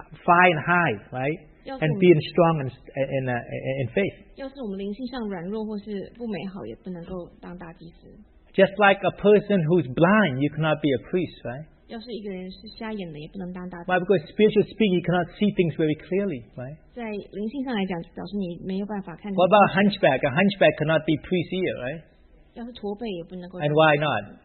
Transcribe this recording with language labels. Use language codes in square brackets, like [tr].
[en] Far and high, right? And being strong in faith. [zh] 要是我们灵性上软弱或是不美好，也不能够当大祭司。 [en] Just like a person who's blind, you cannot be a priest, right? Why? Because spiritually speaking, you cannot see things very clearly, right? What about a hunchback? A hunchback cannot be priest either, right? And why not?